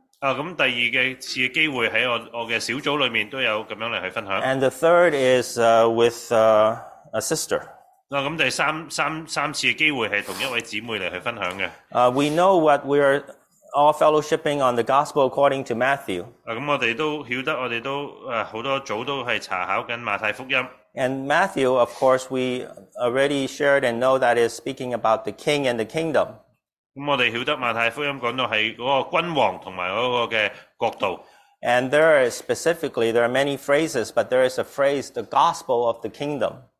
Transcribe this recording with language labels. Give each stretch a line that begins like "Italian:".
Cantonese: 咁第二嘅次嘅機會喺我嘅小組裏面都有咁樣嚟去分享。
English: And the third is with a sister.
Cantonese: 咁第三次嘅機會係同一位姊妹嚟去分享嘅。
English: We know what we are all fellowshipping on the gospel according to Matthew.
Cantonese: 咁我哋都曉得，我哋都好多組都係查考緊馬太福音。
English: And Matthew, of course, we already shared and know that is speaking about the king and the kingdom.
Cantonese: 咁我哋曉得馬太福音講到係嗰個君王同埋嗰個嘅國度。
English: And there is specifically, there are many phrases, but there is a phrase, the gospel of the kingdom.